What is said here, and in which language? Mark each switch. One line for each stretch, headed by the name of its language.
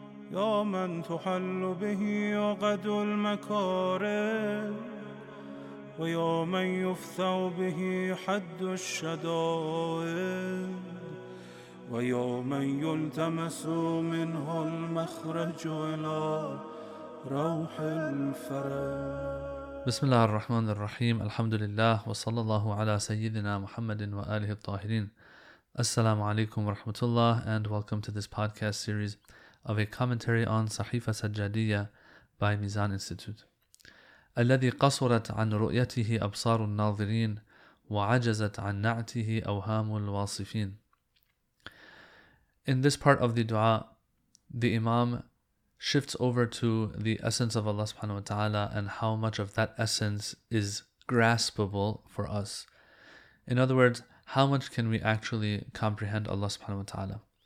Arabic: يا من تحل به عقد المكاره، ويا من يفثو به حد الشدائد، ويا من يلتمس منه المخرج إلى روح الفرج. بسم الله الرحمن الرحيم. الحمد لله وصلى الله على سيدنا محمد وآله الطاهرين. السلام عليكم ورحمة الله,
English: and welcome to this podcast series of a commentary on Sahifa Sajjadiyya by Mizan Institute.
Arabic: الذي قصرت عن رؤيته أبصار الناظرين وعجزت عن نعته أوهام الواصفين.
English: In this part of the dua, the Imam shifts over to the essence of Allah subhanahu wa ta'ala and how much of that essence is graspable for us. In other words, how much can we actually comprehend Allah subhanahu wa ta'ala?